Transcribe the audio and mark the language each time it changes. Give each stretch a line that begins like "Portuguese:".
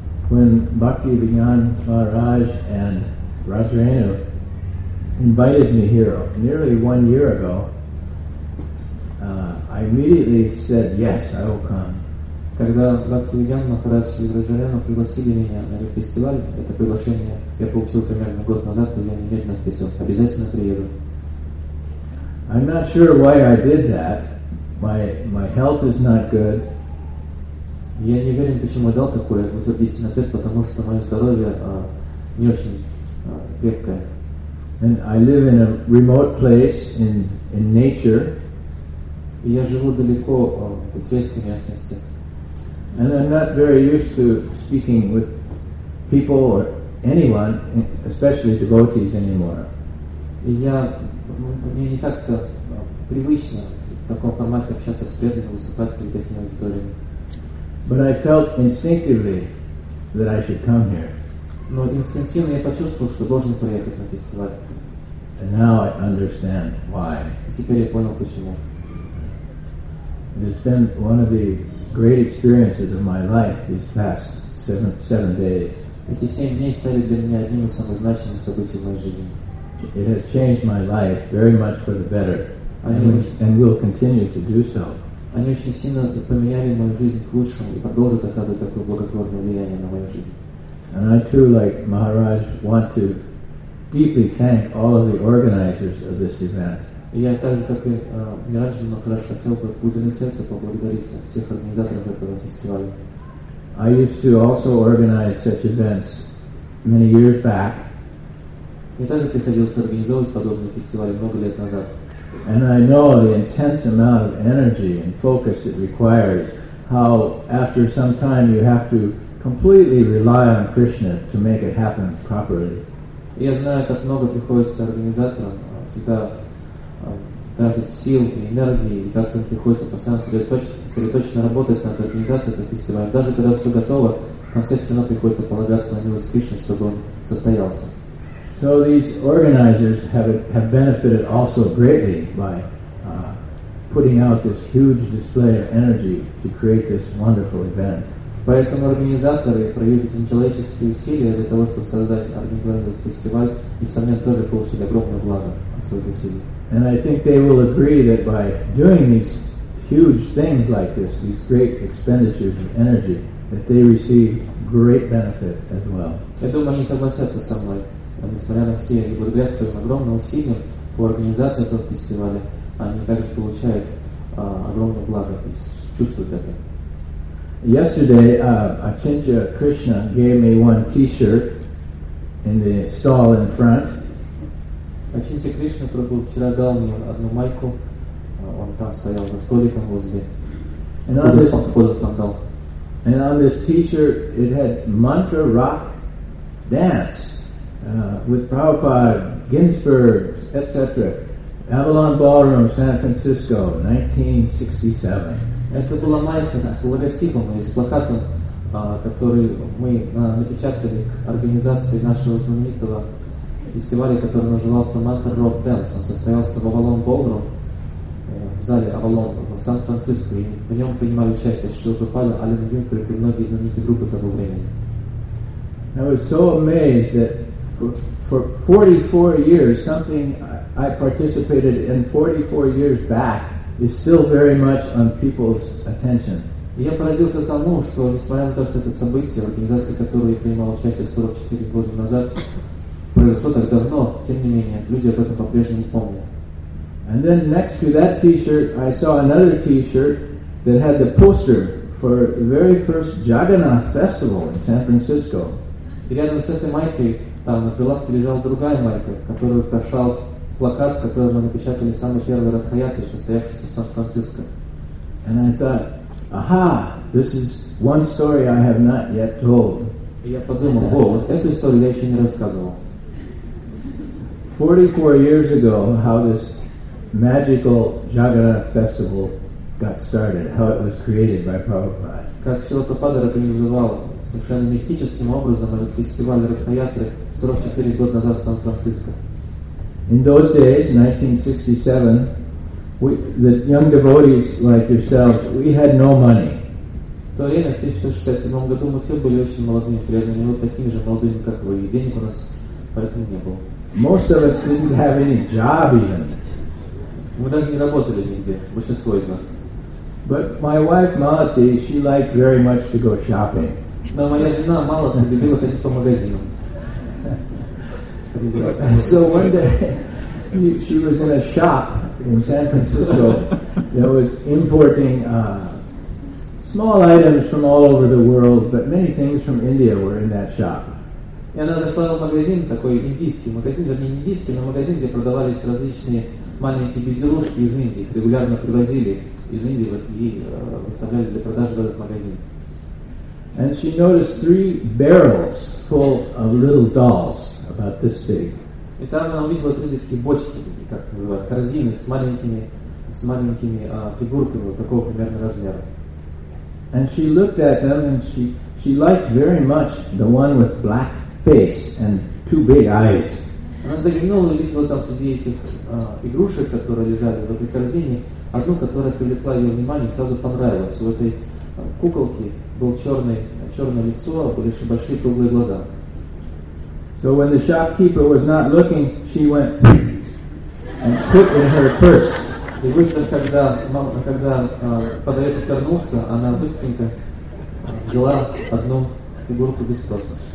English: When Bhakti Vignan Maharaj and Rajaranu invited me here nearly 1 year ago, I immediately said, yes, I will come.
Russian: Когда Бхакти Виньян Махарадж и Раджарену пригласили меня на этот фестиваль, это приглашение я получил примерно год назад, то я немедленно ответил, обязательно приеду.
English: I'm not sure why I did that. My health is not good.
Russian: Я не уверен, почему я дал такой утвердительный ответ, потому что мое здоровье не очень крепкое.
English: And I live in a remote place in nature.
Russian: И я живу далеко в сельской местности.
English: And I'm not very used to speaking with people or anyone, especially devotees anymore.
Russian: И я, мне не так-то привычно в таком формате общаться с преданными, выступать перед этими аудиториями.
English: But I felt instinctively that I should come here.
Russian: Но инстинктивно я почувствовал, что должен приехать на фестиваль.
English: And now I understand why.
Russian: И теперь я понял почему.
English: It has been one of the great experiences of my life these past seven days.
Russian: Эти семь дней стали для меня одним из самых значимых событий в моей жизни.
English: It has changed my life very much for the better, and will continue to do so.
Russian: Они очень сильно поменяли мою жизнь к лучшему и продолжат оказывать такое благотворное влияние на мою жизнь.
English: And I too, like Maharaj, want to deeply thank all of the organizers of this event.
Russian: И я также, как и Мираджи Махарадж, хотел бы в глубине сердца поблагодарить всех организаторов этого фестиваля.
English: I used to also organize such events many years back.
Russian: Я также приходился организовывать подобные фестивали много лет назад.
English: And I know the intense amount of energy and focus it requires, how after some time you have to completely rely on Krishna to make it happen properly.
Russian: Я знаю, как много приходится организаторам всегда тратить сил и энергии, и как им приходится постоянно сосредоточенно работать над организацией этого фестиваля. Даже когда все готово, в конце все равно приходится полагаться на милость Кришны, чтобы он состоялся.
English: So these organizers have benefited also greatly by putting out this huge display of energy to create this wonderful event.
Russian: Поэтому организаторы проявили нечеловеческие усилия для того, чтобы создать организованный фестиваль, и сами тоже получили огромное благо от своих усилий.
English: And I think they will agree that by doing these huge things like this, these great expenditures of energy, that they receive great benefit as well.
Russian: Я думаю, они согласятся со мной. Несмотря на все и благодаря своим огромным усилиям по организации этого фестиваля, они также получают огромное благо и чувствуют это.
English: Yesterday, Achintya Krishna gave me one T-shirt in the stall in front.
Russian: Achintya Krishna вчера дал мне одну майку. Он там стоял за столиком возле.
English: And on this T-shirt, it had Mantra Rock Dance. With Prabhupada, Ginsberg, etc., Avalon Ballroom, San Francisco, 1967.
Russian: Это была майка с логотипом, с плакатом, который мы напечатали к организации нашего знаменитого фестиваля, который назывался Mantra Rock Dance. Он состоялся в Avalon Ballroom, в зале Avalon в Сан-Франциско, и в нем принимали участие Шрила Прабхупада, Аллен Гинсберг и многие знаменитые группы того времени.
English: I was so amazed that For 44 years, something I participated in 44 years back is still very much on people's attention.
Russian: Я поразился тому, что несмотря на то, что это событие, организация, которой я принимал участие 44 года назад, произошло так давно, тем не менее, люди об этом по-прежнему помнят.
English: And then next to that T-shirt, I saw another T-shirt that had the poster for the very first Jagannath Festival in San Francisco.
Russian: И рядом с этой майкой там на прилавке лежала другая майка, которую украшал плакат, который мы напечатали самый первый Радхаятри, состоявшийся в Сан-Франциско.
English: And I thought, aha, this is one story I have not yet told.
Russian: И я подумал, о, вот эту историю я еще не рассказывал.
English: 44 years ago, how this magical Jagannath festival got started, how it was created by Prabhupada.
Russian: Как Шрила Прабхупада организовал совершенно мистическим образом этот фестиваль Ракхаятры 44 года назад в Сан-Франциско.
English: In those days, 1967, the young devotees like yourself, we had no money.
Russian: В то время, в 1967 году, мы все были очень молодыми, преданными, вот такими же молодыми, как вы, и денег у нас поэтому не было.
English: Most of us didn't have any job even.
Russian: Мы даже не работали нигде, большинство из нас.
English: But my wife Malati, she liked very much to go shopping.
Russian: Но моя жена Малати любила ходить по магазинам.
English: So one day, she was in a shop in San Francisco that was importing small items from all over the world, but many things from India were in that shop.
Russian: И она зашла в магазин, такой индийский магазин, вернее, не индийский, но магазин, где продавались различные маленькие безделушки из Индии, регулярно привозили из Индии вот, и выставляли для продажи в этот магазин.
English: And she noticed three barrels full of little dolls about this big.
Russian: И там она увидела три такие бочки, как называют, корзины с маленькими фигурками вот такого примерно размера.
English: And she looked at them and she liked very much the one with black face and two big eyes.
Russian: Она заглянула и увидела там среди этих игрушек, которые лежали в этой корзине, одну, которая привлекла ее внимание, сразу понравилась. У этой куколки был черное лицо, были еще большие круглые глаза.
English: So when the shopkeeper was not looking, she went and put in her purse.
Russian: И вышло, когда подавец отвернулся, она быстренько взяла одну фигурку без спроса.